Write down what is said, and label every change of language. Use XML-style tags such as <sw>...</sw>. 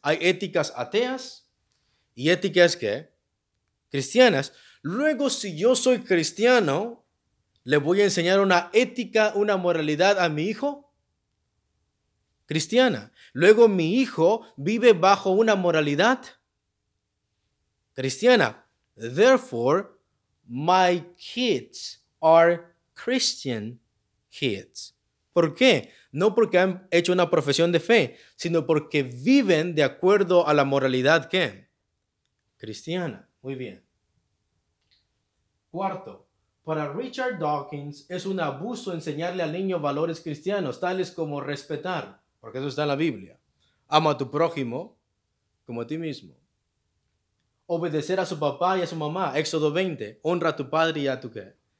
<es>Hay éticas ateas y éticas ¿qué? Cristianas. Luego, si yo soy cristiano, ¿le voy a enseñar una ética, una moralidad a mi hijo? Cristiana. Luego mi hijo vive bajo una moralidad cristiana.</es> <en>Therefore, my kids are Christian kids.</en> <es>¿Por qué? No porque han hecho una profesión de fe, sino porque viven de acuerdo a la moralidad ¿qué? Cristiana. Muy bien. Cuarto. Para Richard Dawkins es un abuso enseñarle al niño valores cristianos, tales como respetar, porque eso está en la Biblia, ama a tu prójimo como a ti mismo, obedecer a su papá y a su mamá, Éxodo 20, honra a tu padre y a tu qué.</es>